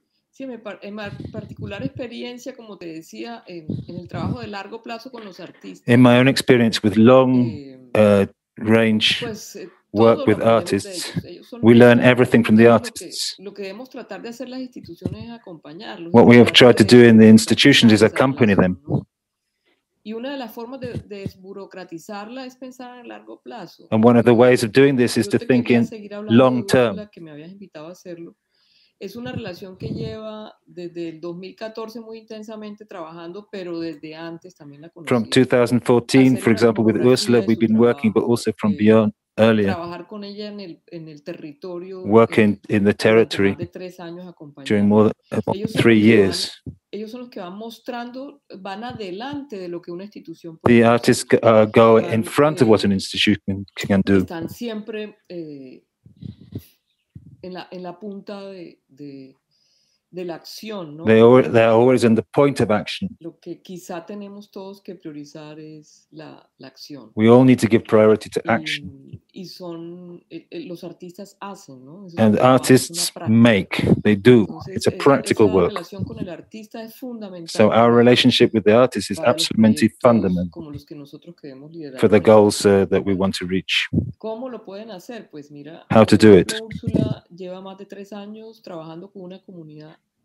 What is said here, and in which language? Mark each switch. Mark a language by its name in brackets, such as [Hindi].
[Spanish] Sí, en particular experiencia, como te decía, en el trabajo de largo plazo con los artistas. [English] In my own experience with long range work with artists, we learn everything from the artists. [Spanish] Lo que debemos tratar de hacer las instituciones es acompañarlos. [English] What we have tried to do in the institutions is accompany them. [Spanish] Y una de las formas de desburocratizarla es pensar en largo plazo. [English] And one of the ways of doing this is to think in long term. [Spanish] Que me habías invitado a hacerlo. Es una relación que lleva desde el 2014 muy intensamente trabajando, pero desde antes también la conocí. [English] From 2014, for example, with Ursula, we've been working, but also from beyond earlier. [Spanish] Trabajar con ella en el territorio. [English] Working in the territory. [Spanish] De 3 años acompañando. [English] During more than 3 years. [Spanish] Ellos son los que van mostrando, van adelante de lo que una institución. [English] The artists go in front of what an institution can do. [Spanish] Están siempre en la punta de la acción, ¿no? [English] They are always in the point of action. [Spanish] Lo que quizá tenemos todos que priorizar es la acción. [English] We all need to give priority to action. [Spanish] y son los artistas hacen, ¿no? [English] And artists make, they do. Entonces, it's a practical work. [Spanish] Relación con el artista es fundamental. [English] So our relationship with the artist is absolutely fundamental. [Spanish] Como los que nosotros queremos liderar. [English] For the goals that we want to reach. [Spanish] ¿Cómo lo pueden hacer? Pues mira, [English] how to do it. [Spanish] Úrsula lleva más de 3 años trabajando con una comunidad.